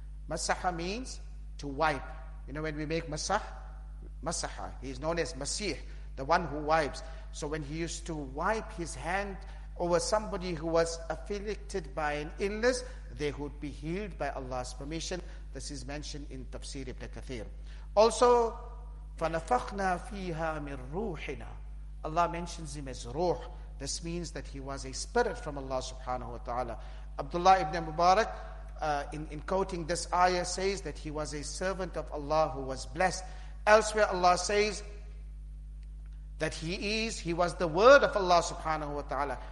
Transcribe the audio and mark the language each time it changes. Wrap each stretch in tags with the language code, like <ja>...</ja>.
<en>Masaha means to wipe. You know, when we make masah, masaha, he is known as Masih, the one who wipes. So when he used to wipe his hand over somebody who was afflicted by an illness, they would be healed by Allah's permission. This is mentioned in Tafsir Ibn Kathir. Also,</en> <ar>فَنَفَقْنَا فِيهَا مِن رُوحِنَا.</ar> <en>Allah mentions him as Ruh. This means that he was a spirit from Allah subhanahu wa ta'ala. Abdullah ibn Mubarak, in quoting this ayah, says that he was a servant of Allah who was blessed. Elsewhere Allah says that he was the word of Allah subhanahu wa ta'ala.</en>